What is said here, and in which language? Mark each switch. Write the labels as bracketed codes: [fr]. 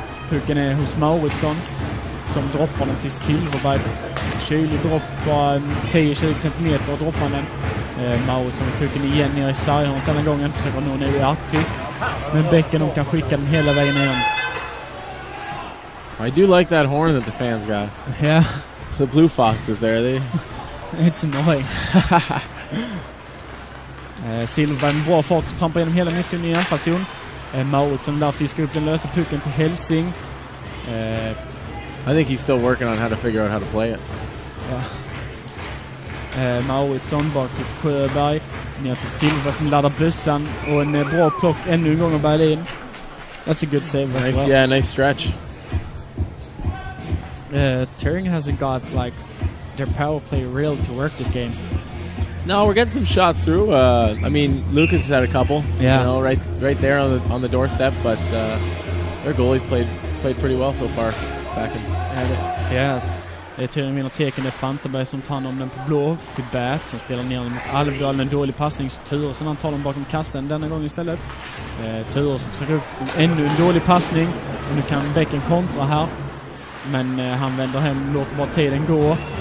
[sv] Pucken är hos Mauritsson som droppar den till Silverberg. Kylig droppar 10-20 cm och droppar den. Mauritsson och pucken igen ner i sarghörnet denna gången. Försöker nå ner i Artqvist. Men Bäcken de kan skicka den hela vägen igen. [en] I do like that horn that the fans got. Yeah. The blue foxes there. They... It's annoying. [sv] Silverberg en bra fart. Trampar genom hela mittzon i anfallszon. Mauritsson där fiskar upp den lösa pucken till Helsing. [en] I think he's still working on how to figure out how to play it. [sv] Mauritsson bak till Sjöberg. Ner till Silva som laddar bussen. Och en bra plock ännu en gång av Berlin. [en] That's a good save nice, as well. Yeah, nice stretch. Turing hasn't got like their power play real to work this game. No, we're getting some shots through. I mean, Lucas has had a couple. Yeah. You know, right there on the doorstep, but their goalie's played pretty well so far. Backens. Yes. [sv] Det är till mina teken, det är Fantenberg som tar om den på blå till Bat som spelar ner den mot Alvdal, en dålig passning, så Turesen han tar den bakom kassen denna gång istället. Turesen försöker upp ännu en dålig passning och nu kan Bäcken kontra här, men han vänder hem, låter bara tiden gå.